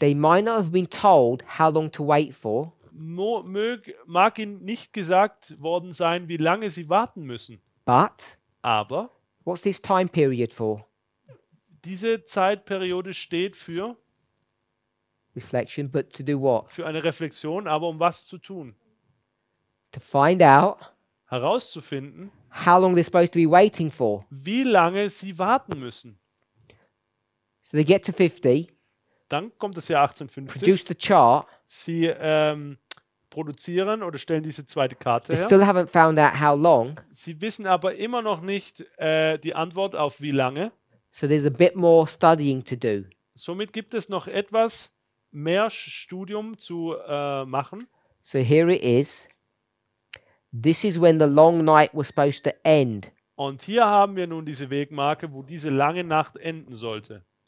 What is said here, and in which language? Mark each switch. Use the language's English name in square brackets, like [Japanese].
[English] They might not have been told how long to wait for. [German] Mag ihnen nicht gesagt worden sein, wie lange sie warten müssen. [English] But. [German] Aber. [English] What's this time period for? [German] Diese Zeitperiode steht für. [English] Reflection, but to do what? [German] Für eine Reflexion, aber um was zu tun? [English] To find out. [German] Herauszufinden. [English] How long they're supposed to be waiting for? [German] Wie lange sie warten müssen? [English] So they get to 50. [German] Dann kommt das Jahr 1850. [English] Produce the chart. [German] Sie produzieren oder stellen diese zweite Karte [English] they [German] her. [English] Still haven't found out how long. [German] Sie wissen aber immer noch nicht die Antwort auf wie lange. [English] So there's a bit more studying to do. [German] Somit gibt es noch etwas mehr Studium zu machen. [English] So here it is. This is when the long night was supposed to end. [German] Und hier haben wir nun diese Wegmarke, wo diese lange Nacht enden sollte.